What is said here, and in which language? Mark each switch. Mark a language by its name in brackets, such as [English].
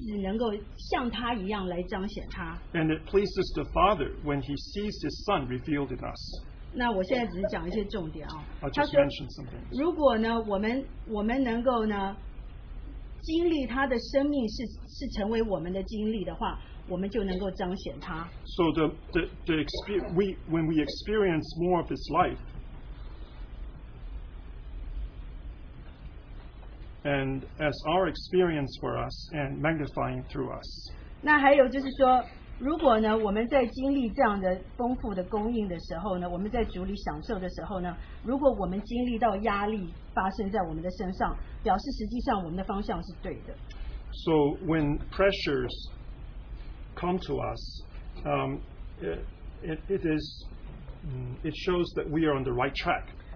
[Chinese] 那对于父神来说，他喜欢有很多的儿子能够像他一样来彰显他。And [English] it pleases the Father when he sees his Son revealed in us. [Chinese] 那我现在只是讲一些重点啊。I'll [English] just mention something. [Chinese] 如果呢，我们能够呢，经历他的生命是成为我们的经历的话。 [English] So when we experience more of his life, and as our experience for us and magnifying through us. [Chinese] 那还有就是说，如果呢，我们在经历这样的丰富的供应的时候呢，我们在主里享受的时候呢，如果我们经历到压力发生在我们的身上，表示实际上我们的方向是对的。So [English] when pressures come to us, it shows that we are on the right track.